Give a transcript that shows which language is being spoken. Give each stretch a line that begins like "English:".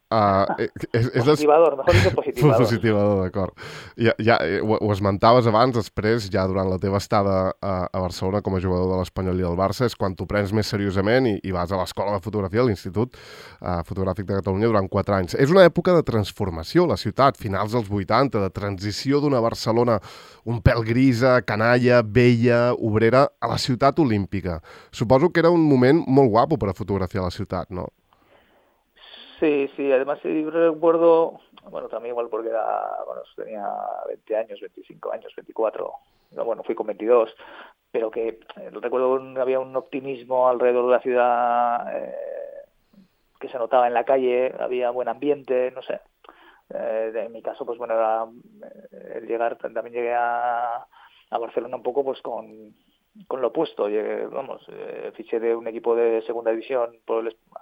Spanish: positivador, mejor dicho positivador.
Catalan: Positivador, d'acord. Ja ho esmentaves abans, després, ja durant la teva estada a Barcelona com a jugador de l'Espanyol i del Barça, és quan t'ho prens més seriosament i vas a l'escola de fotografia, a l'Institut Fotogràfic de Catalunya, durant 4 anys. És una època de transformació, la ciutat, finals dels 80, de transició d'una Barcelona un pèl grisa, canalla, vella, obrera, a la ciutat olímpica. Suposo que era un moment molt guapo per a fotografiar la ciutat, no?
Spanish: Sí, además sí, recuerdo, bueno, también igual porque era, bueno, tenía 20 años, 25 años, 24, no, bueno, fui con 22, pero que recuerdo había un optimismo alrededor de la ciudad que se notaba en la calle, había buen ambiente, no sé, en mi caso, pues bueno, era el llegar, también llegué a Barcelona un poco pues con lo opuesto, vamos, fiché de un equipo de segunda división por